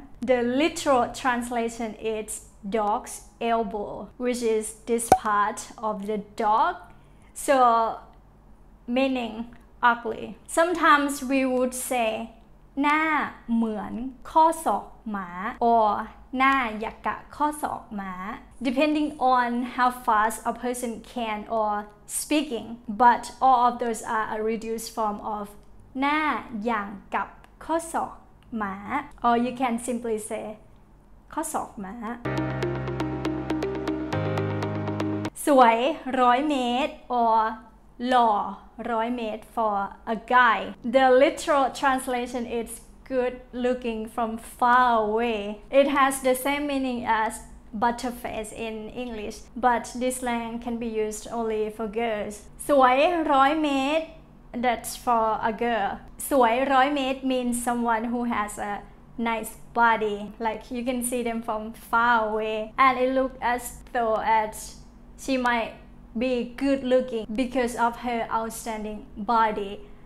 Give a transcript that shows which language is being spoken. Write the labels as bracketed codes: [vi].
[en] The literal translation is dog's elbow, which is this part of the dog. So, meaning ugly. Sometimes we would say, [th] หน้าเหมือนข้อศอกหมา [en] or [th] หน้าอยากกะข้อศอกหมา, [en] depending on how fast a person can or speaking, but all of those are a reduced form of [th] หน้าอย่างกับข้อศอกหมา, [en] or you can simply say [th] ข้อศอกหมา. สวยร้อยเมตร [en] or [th] หล่อร้อยเมตร [en] for a guy. The literal translation is good looking from far away. It has the same meaning as butterface in English, but this slang can be used only for girls. [th] สวยร้อยเมตร, [en] that's for a girl. [th] สวยร้อยเมตร [en] means someone who has a nice body, like you can see them from far away, and it looks as though as she might be good looking because of her outstanding body.